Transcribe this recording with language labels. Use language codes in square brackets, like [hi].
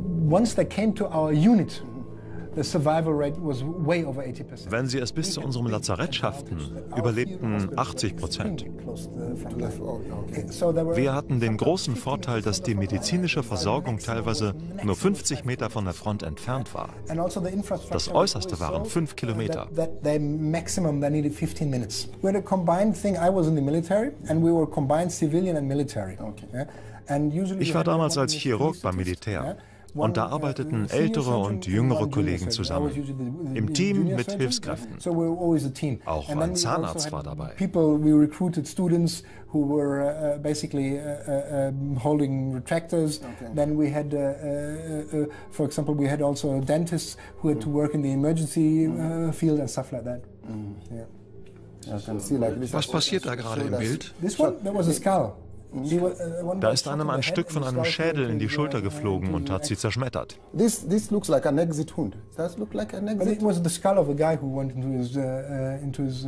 [en] Once they came to our unit, the survival rate was way over 80%. [de] Wenn sie es bis zu unserem Lazarett schafften, überlebten 80%. Wir hatten den großen Vorteil, dass die medizinische Versorgung teilweise nur 50 Meter von der Front entfernt war. Das Äußerste waren 5 Kilometer. [en] Maximum, they needed 15 minutes. We had a combined thing. I was in the military and we were combined civilian and military. [de] Ich war damals als Chirurg beim Militär. Und da arbeiteten ältere und jüngere Kollegen zusammen, im Team mit Hilfskräften. Auch ein Zahnarzt war dabei. [en] We recruited students who were basically holding retractors. Then we had, for example, we had also dentists who had to work in the emergency field and stuff like that. [de] Was passiert da gerade im Bild? [en] This one, that was a skull. [de] Da ist einem ein Stück von einem Schädel in die Schulter geflogen und hat sie zerschmettert. [en] This looks like an exit wound. Does look like an exit. But it was the skull of a guy who went into his.